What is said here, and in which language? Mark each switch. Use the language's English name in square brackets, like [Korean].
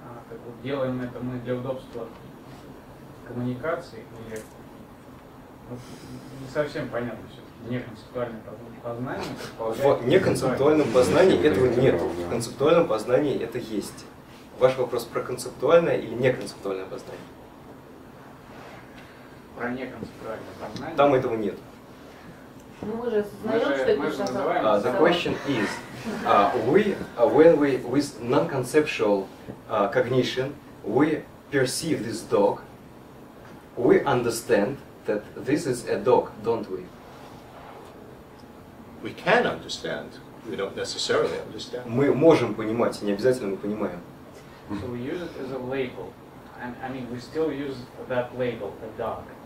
[Russian] Так вот, делаем это мы для удобства коммуникации, или не совсем понятно все-таки, неконцептуальное познание предполагает... В неконцептуальном познании этого нет, в концептуальном познании это есть. Ваш вопрос про концептуальное или неконцептуальное познание? Там этого нет. [English] The question is, with non-conceptual cognition, we perceive this dog, we understand that this is a dog, don't we? We can understand. We don't necessarily understand. [Russian] Мы можем понимать, не обязательно мы понимаем. [English] So we use it as a label. I mean, we still use that label, a dog.